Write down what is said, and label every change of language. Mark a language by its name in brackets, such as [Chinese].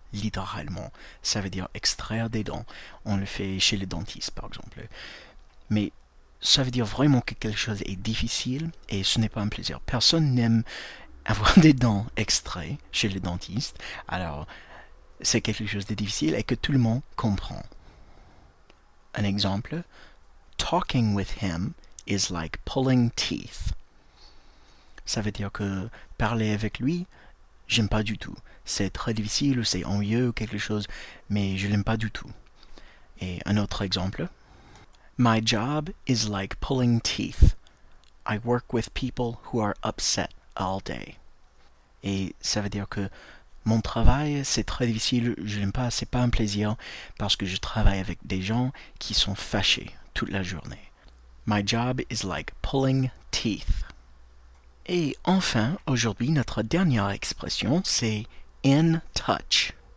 [French] Littéralement, ça veut dire extraire des dents. On le fait chez le dentiste, par exemple. Mais ça veut dire vraiment que quelque chose est difficile et ce n'est pas un plaisir. Personne n'aime avoir des dents extraites chez le dentiste. Alors, c'est quelque chose de difficile et que tout le monde comprend. Un exemple, [English] talking with him is like pulling teeth. [French] Ça veut dire que parler avec lui, j'aime pas du tout. C'est très difficile ou c'est ennuyeux ou quelque chose, mais je l'aime pas du tout. Et un autre exemple, [English] my job is like pulling teeth. I work with people who are upset all day. [French] Et ça veut dire que mon travail, c'est très difficile, je l'aime pas, c'est pas un plaisir, parce que je travaille avec des gens qui sont fâchés toute la journée. [English] My job is like pulling teeth. [French] Et enfin, aujourd'hui, notre dernière expression, c'est in touch.